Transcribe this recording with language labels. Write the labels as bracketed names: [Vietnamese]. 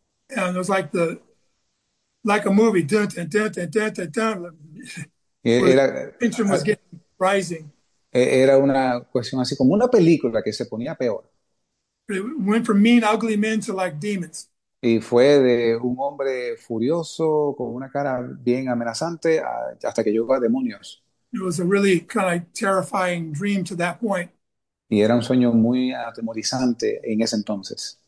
[English] And it was like like a movie, dun, dun, dun, dun, dun, dun, dun, where the tension was getting rising. [Spanish] Era una cuestión así como una película que se ponía peor. [English] It went from mean, ugly men to like demons. [Spanish] Y fue de un hombre furioso con una cara bien amenazante hasta que llegó a demonios. [English] It was a really kind of terrifying dream to that point. [Spanish] Y era un sueño muy atemorizante en ese entonces.